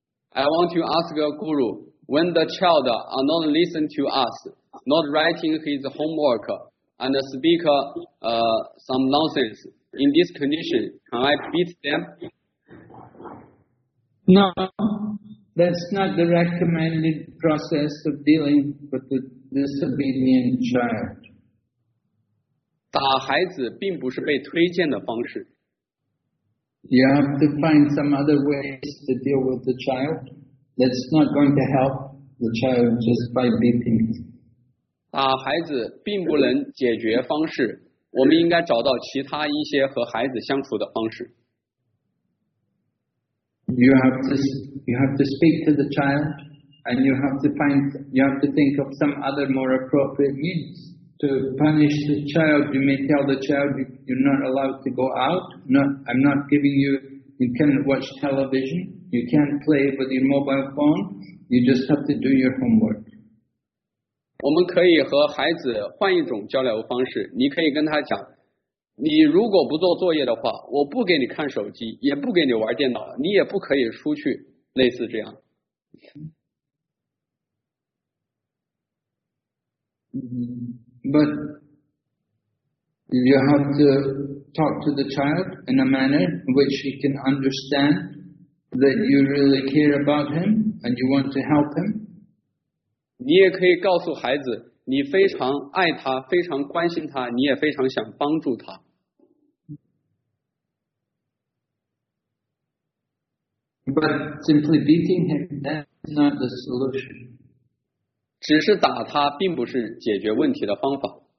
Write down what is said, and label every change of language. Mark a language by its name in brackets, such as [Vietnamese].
[English] I want to ask a Guru, when the child are not listening to us, not writing his homework, and speak some nonsense, in this condition, can I beat them? No, that's not the recommended process of dealing with the disobedient child. [Chinese] 打孩子并不是被推荐的方式。 [English] You have to find some other ways to deal with the child. That's not going to help the child just by beating it. [Chinese] 打孩子并不能解决方式，我们应该找到其他一些和孩子相处的方式。 [English] You have to speak to the child, and you have to think of some other more appropriate means to punish the child. You may tell the child you're not allowed to go out. You can't watch television. You can't play with your mobile phone. You just have to do your homework. [Chinese] 我们可以和孩子换一种交流方式。你可以跟他讲，你如果不做作业的话，我不给你看手机，也不给你玩电脑，你也不可以出去，类似这样。 [English] But you have to talk to the child in a manner in which he can understand that you really care about him and you want to help him. [Chinese] 你也可以告诉孩子，你非常爱他，非常关心他，你也非常想帮助他。 [English] But simply beating him, that's not the solution. [Chinese] 只是打他并不是解决问题的方法。